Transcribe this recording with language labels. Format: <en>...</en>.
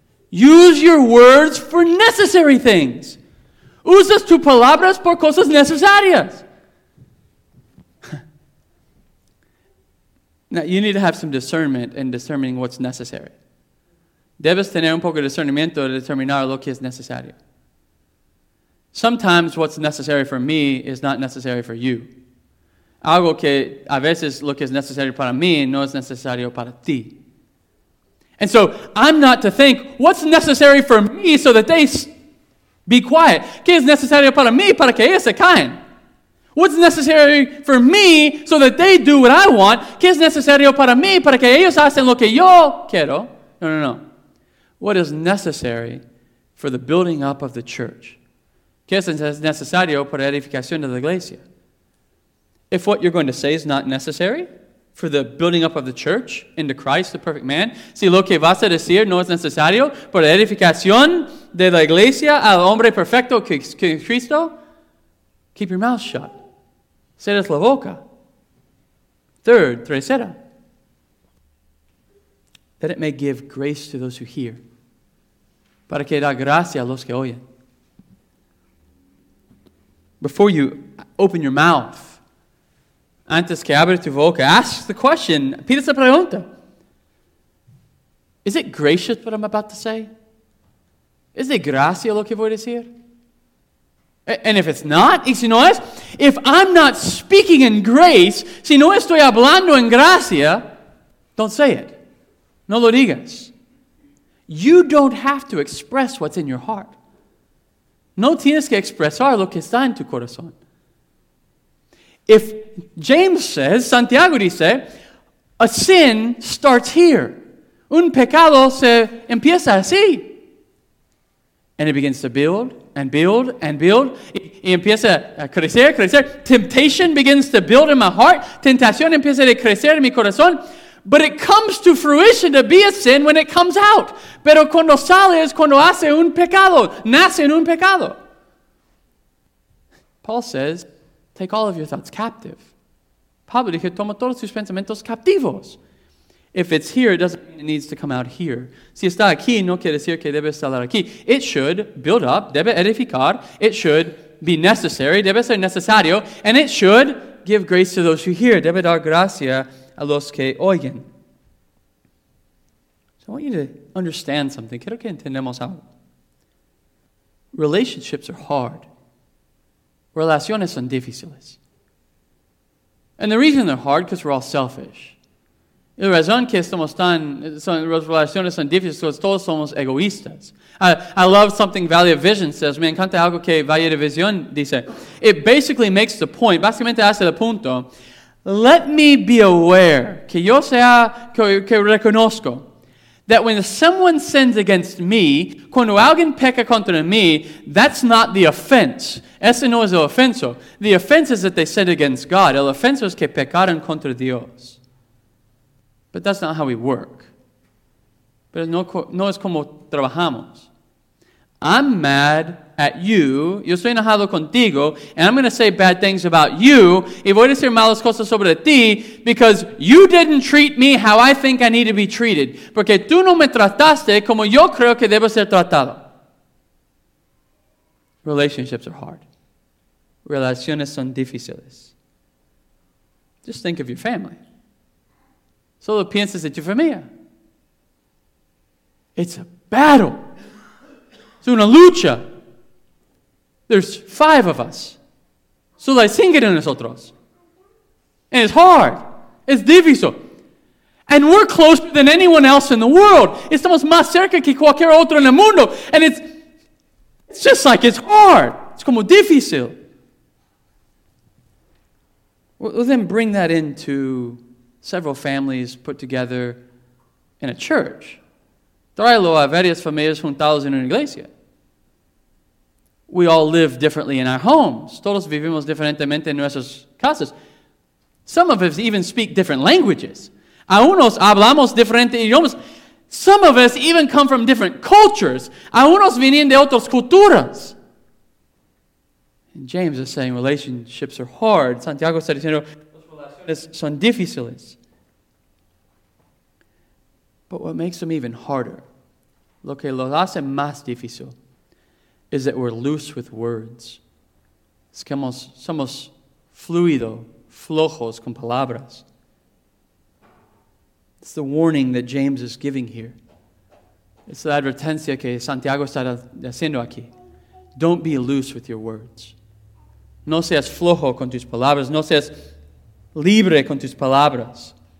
<en>Use your words for necessary things.</en> <es>Usas tus palabras por cosas necesarias.</es> <en>Now, you need to have some discernment in determining what's necessary.</en> <es>Debes tener un poco de discernimiento de determinar lo que es necesario.</es> <en>Sometimes what's necessary for me is not necessary for you.</en> <es>Algo que a veces lo que es necesario para mí no es necesario para ti.</es> <en>And so, I'm not to think, what's necessary for me so that they be quiet?</en> <es>¿Qué es necesario para mí para que ellos se caen?</es> <en>What's necessary for me so that they do what I want?</en> <es>¿Qué es necesario para mí para que ellos hacen lo que yo quiero?</es> <en>No. What is necessary for the building up of the church?</en> <es>¿Qué es necesario para la edificación de la iglesia?</es> <en>If what you're going to say is not necessary for the building up of the church into Christ, the perfect man,</en> <es>si lo que vas a decir no es necesario por la edificación de la iglesia al hombre perfecto que es Cristo,</es> <en>keep your mouth shut.</en> <es>Cierras la boca.</es> <en>Third,</en> <es>tercera.</es> <en>That it may give grace to those who hear.</en> <es>Para que da gracia a los que oyen.</es> <en>Before you open your mouth,</en> <es>antes que abres tu boca,</es> <en>ask the question.</en> <es>Pide esa pregunta.</es> <en>Is it gracious what I'm about to say? Is it</en> <es>gracia lo que voy a decir?</es> <en>And if it's not,</en> <es>y si no es,</es> <en>if I'm not speaking in grace,</en> <es>si no estoy hablando en gracia,</es> <en>don't say it.</en> <es>No lo digas.</es> <en>You don't have to express what's in your heart.</en> <es>No tienes que expresar lo que está en tu corazón.</es> <en>If James says,</en> <es>Santiago dice,</es> <en>a sin starts here.</en> <es>Un pecado se empieza así.</es> <en>And it begins to build and build and build.</en> <es>Y empieza a crecer, crecer.</es> <en>Temptation begins to build in my heart.</en> <es>Tentación empieza a crecer en mi corazón.</es> <en>But it comes to fruition to be a sin when it comes out.</en> <es>Pero cuando sale es cuando hace un pecado. Nace en un pecado.</es> <en>Paul says, take all of your thoughts captive.</en> <es>Pablo dijo, toma todos tus pensamientos captivos.</es> <en>If it's here, it doesn't mean it needs to come out here.</en> <es>Si está aquí, no quiere decir que debe estar aquí.</es> <en>It should build up,</en> <es>debe edificar.</es> <en>It should be necessary,</en> <es>debe ser necesario.</es> <en>And it should give grace to those who hear.</en> <es>Debe dar gracia a los que oyen.</es> <en>So I want you to understand something.</en> <es>Quiero que entendamos algo.</es> <en>Relationships are hard.</en> <es>Relaciones son difíciles.</es> <en>And the reason they're hard, because we're all selfish.</en> <es>La razón que estamos tan, son, relaciones son difíciles, because todos somos egoístas.</es> <en>I love something Valley of Vision says.</en> <es>Me encanta algo que Valley of Vision dice.</es> <en>It basically makes the point,</en> <es>básicamente hace el punto.</es> <en>Let me be aware,</en> <es>que yo sea, que reconozco,</es> <en>that when someone sins against me,</en> <es>cuando alguien peca contra mí,</es> <en>that's not the offense.</en> <es>Ese no es el ofenso.</es> <en>The offense is that they sin against God.</en> <es>El ofenso es que pecaron contra Dios.</es> <en>But that's not how we work.</en> <es>Pero no es como trabajamos.</es> <en>I'm mad at you.</en> <es>Yo estoy enojado contigo.</es> <en>And I'm going to say bad things about you.</en> <es>Y voy a decir malas cosas sobre ti.</es> <en>Because you didn't treat me how I think I need to be treated.</en> <es>Porque tú no me trataste como yo creo que debo ser tratado.</es> <en>Relationships are hard.</en> <es>Relaciones son difíciles.</es> <en>Just think of your family.</en> <es>Solo piensas en tu familia.</es> <en>It's a battle.</en> <es>Es una lucha.</es> <en>There's five of us.</en> <es>Solo hay cinco de nosotros.</es> <en>And it's hard. It's difícil. And we're closer than anyone else in the world.</en> <es>Estamos más cerca que cualquier otro en el mundo.</es> <en>And it's just like it's hard. It's</en> <es>como difícil.</es> <en>Well, then bring that into several families put together in a church.</en> <es>Tráelo a varias familias juntados en una iglesia.</es> <en>We all live differently in our homes.</en> <es>Todos vivimos diferentemente en nuestras casas.</es> <en>Some of us even speak different languages.</en> <es>A unos hablamos diferentes idiomas.</es> <en>Some of us even come from different cultures.</en> <es>A unos vienen de otras culturas.</es> <en>And James is saying relationships are hard.</en> <es>Santiago está diciendo, son difíciles.</es> <en>But what makes them even harder,</en> <es>lo que los hace más difícil,</es> <en>is that we're loose with words.</en> <es>Es que somos fluido, flojos con palabras.</es> <en>It's the warning that James is giving here. It's the</en> <es>advertencia que Santiago está haciendo aquí.</es> <en>Don't be loose with your words.</en> <es>No seas flojo con tus palabras. No seas libre con tus palabras.</es>